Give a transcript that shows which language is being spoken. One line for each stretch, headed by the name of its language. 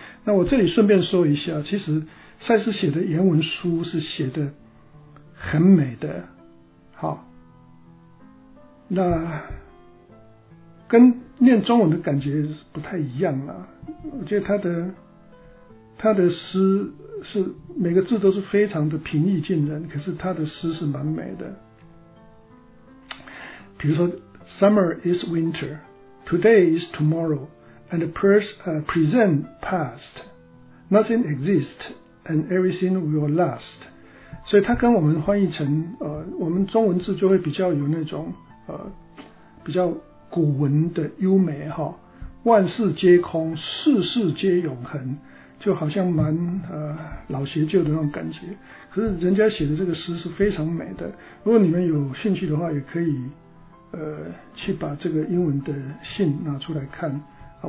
Chinese: 那我这里顺便说一下，其实赛斯写的原文书是写的很美的，好，那跟念中文的感觉不太一样了。我觉得他的诗是每个字都是非常的平易近人，可是他的诗是蛮美的。比如说
English: summer is winter, today is tomorrow, and present past, nothing exists, and everything will last.
Chinese: 所以它跟我们翻译成我们中文字就会比较有那种比较古文的优美哈，万事皆空，世事皆永恒，就好像蛮老邪旧的那种感觉。可是人家写的这个诗是非常美的，如果你们有兴趣的话，也可以去把这个英文的信拿出来看啊。